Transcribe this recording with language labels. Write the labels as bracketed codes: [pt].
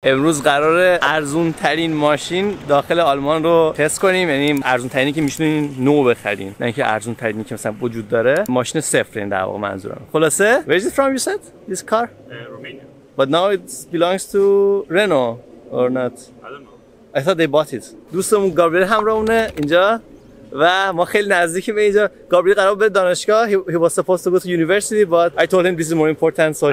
[fa] امروز قراره ارزون ترین ماشین داخل آلمان رو تست کنیم، یعنی ارزون ترینی که میشنین نو بخرین، نه اینکه ارزون ترینی که مثلا وجود داره. ماشین صفر این در واقع منظورم. [en] خلاصه Where is it from you said? This car? Romania. But now it belongs to Renault or not? I don't know. I thought they bought it. [fa] دوستمون گابریل همراهونه اینجا و ما خیلی نزدیکیم به اینجا. گابریل قرار بود دانشگاه. [en] He was supposed to go to university but I told him this is more important so